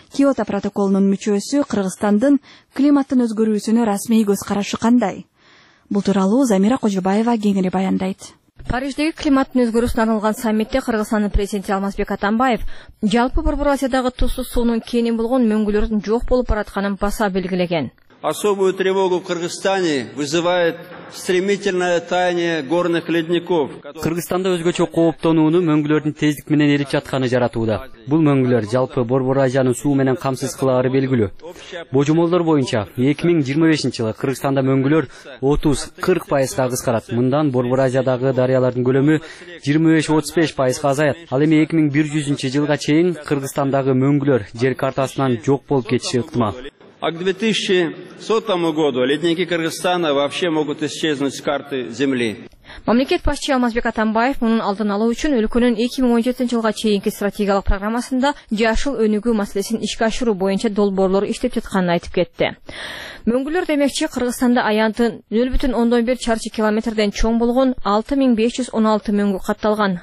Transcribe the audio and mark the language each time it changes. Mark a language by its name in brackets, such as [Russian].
[Kyrgyz] Киото протоколунун мүчөсү Кыргызстандын климаттын өзгөрүүсүнө расмий көз карашы кандай? Бул тууралуу Замира Кожобаева кеңири баяндайт. Париждеги климаттын өзгөрүүсүнө арналган саммитте Кыргызстандын президенти Алмазбек Атамбаев жалпы Борбор Азиядагы тусуз суунун кени болгон мөңгүлөрдүн жок болуп бараткандыгын баса белгилеген. [Russian] Особую тревогу в Кыргызстане вызывает стремительное таяние горных ледников. [Kyrgyz] Кыргызстанда өзгөчө кооптонууну мөңгүлөрдүн тездик менен эрип жатканы жаратууда. Бул мөңгүлөр жалпы Борбор Азияны суу менен камсыз кылары белгилүү. Божомолдор боюнча 2025-жылы Кыргызстанда мөңгүлөр 30-40% кыскарат. Мындан Борбор Азиядагы дарыялардын көлөмү 25-35% азаят. Ал эми 2100-жылга чейин Кыргызстандагы мөңгүлөр жер картасынан жок болуп кетиши ыктымал. [Russian] А к 2100 году ледники Кыргызстана вообще могут исчезнуть с карты Земли. [Kyrgyz] Мамлекет башчы Алмазбек Атамбаев мунун алдын алуу үчүн өлкөнүн 2017-жылга чейинки стратегиялык программасында жашыл өнүгүү маселесин ишке ашыруу боюнча долбоорлор иштеп жатканын айтып кетти. Мөңгүлөр демекчи Кыргызстанда аянты 0.1 чарчы километрден чоң болгон 6516 мөңгү катталган.